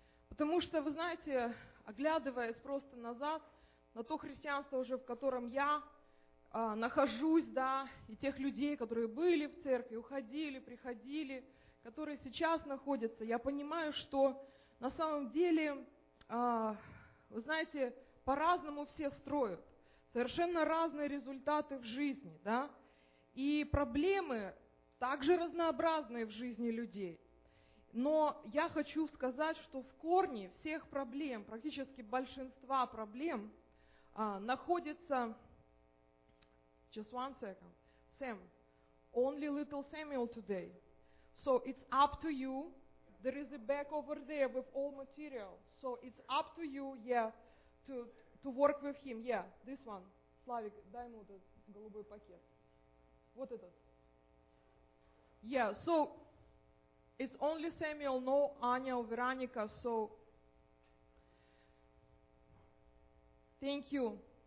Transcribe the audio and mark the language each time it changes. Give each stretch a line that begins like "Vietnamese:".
Russian: Потому что, вы знаете, оглядываясь просто назад на то христианство, уже в котором я нахожусь, да, и тех людей, которые были в церкви, уходили, приходили, которые сейчас находятся, я понимаю, что на самом деле, вы знаете, по-разному все строят, совершенно разные результаты в жизни, да, и проблемы также разнообразные в жизни людей. Но я хочу сказать, что в корне всех проблем, практически большинства проблем, находится...
English: Just one second. Sam, only little Samuel today. So it's up to you. There is a bag over there with all material. So it's up to you, yeah, to work with him. Yeah, this one.
Russian: Slavik, дай ему этот голубой пакет. Вот этот.
English: Yeah, so it's only Samuel, no Anya or Veronica. So thank you.